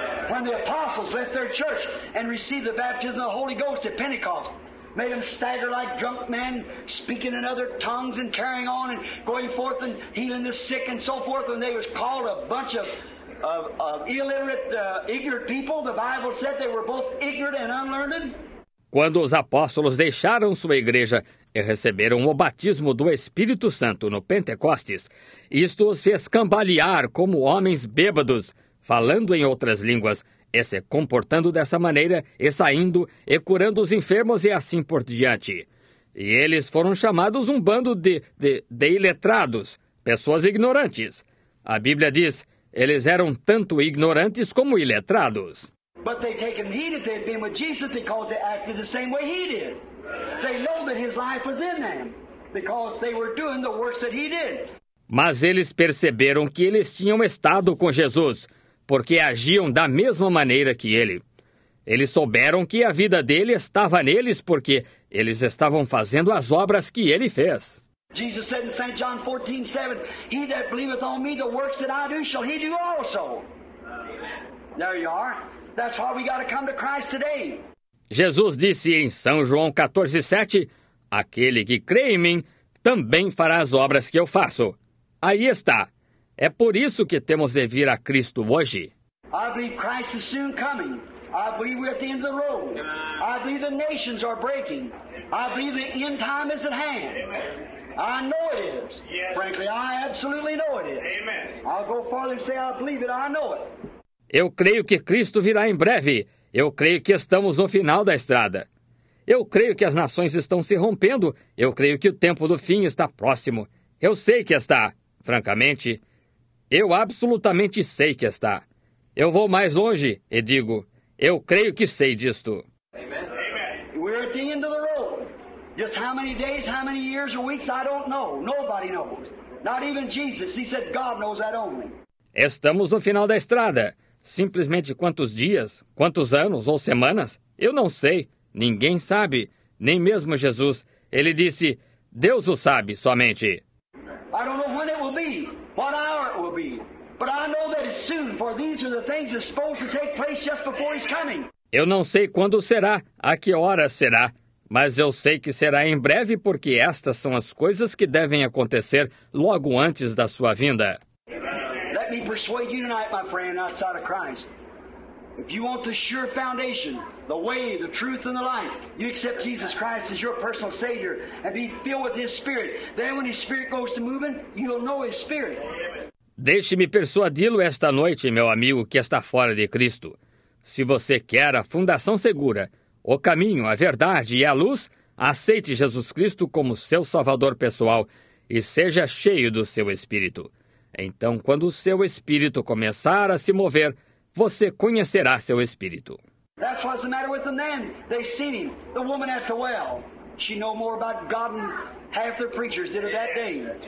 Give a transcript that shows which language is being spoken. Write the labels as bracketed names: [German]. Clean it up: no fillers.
[English] When the apostles left their church and received the baptism of the Holy Ghost at Pentecost, made them stagger like drunk men, speaking in other tongues and carrying on and going forth and healing the sick and so forth, when they was called a bunch of ignorant people. The Bible said they were both ignorant and unlearned. [Portuguese] Quando os apóstolos deixaram sua igreja e receberam o batismo do Espírito Santo no Pentecostes, isto os fez cambalear como homens bêbados, falando em outras línguas, e se comportando dessa maneira, e saindo, e curando os enfermos e assim por diante. E eles foram chamados um bando de iletrados, pessoas ignorantes. A Bíblia diz, eles eram tanto ignorantes como iletrados. [English] But they taken heed if they'd been with Jesus because they acted the same way he did. They know that his life was in them because they were doing the works that he did. [Portuguese] Mas eles perceberam que eles tinham estado com Jesus, porque agiam da mesma maneira que ele. Eles souberam que a vida dele estava neles porque eles estavam fazendo as obras que ele fez. [English] Jesus said in St. John 14:7, he that believeth on me, the works that I do, shall he do also. There you are. That's why we got to come to Christ today. [Portuguese] Jesus disse em São João 14:7, aquele que crê em mim também fará as obras que eu faço. Aí está. É por isso que temos de vir a Cristo hoje. [English] I believe Christ is soon coming. I believe we're at the end of the road. I believe the nations are breaking. I believe the end time is at hand. I know it is. Yes. Frankly, I absolutely know it is. Amen. I'll go farther and say I believe it. I know it. [Portuguese] Eu creio que Cristo virá em breve. Eu creio que estamos no final da estrada. Eu creio que as nações estão se rompendo. Eu creio que o tempo do fim está próximo. Eu sei que está. Francamente, eu absolutamente sei que está. Eu vou mais longe e digo, eu creio que sei disto. Amen. [English] We're at the end of the road. Just how many days, how many years or weeks, I don't know. Nobody knows. Not even Jesus. He said God knows that only. [Portuguese] Estamos no final da estrada. Simplesmente quantos dias, quantos anos ou semanas, eu não sei. Ninguém sabe, nem mesmo Jesus. Ele disse, Deus o sabe somente. [English] I don't know when it will be, what hour it will be, but I know that it's soon, for these are the things that's supposed to take place just before he's coming. [Portuguese] Eu não sei quando será, a que hora será, mas eu sei que será em breve, porque estas são as coisas que devem acontecer logo antes da sua vinda. [English] Let me persuade you tonight, my friend, outside of Christ. If you want the sure foundation, the way, the truth, and the life, you accept Jesus Christ as your personal Savior and be filled with His Spirit. Then when His Spirit goes to moving, you'll know His Spirit. [Portuguese] Deixe-me persuadi-lo esta noite, meu amigo, que está fora de Cristo. Se você quer a fundação segura, o caminho, a verdade e a luz, aceite Jesus Cristo como seu Salvador pessoal e seja cheio do seu Espírito. Então, quando o seu Espírito começar a se mover, você conhecerá seu Espírito. [English] That's what's the matter with the man. They seen him. The woman at the well. She know more about God than half their preachers did of that day.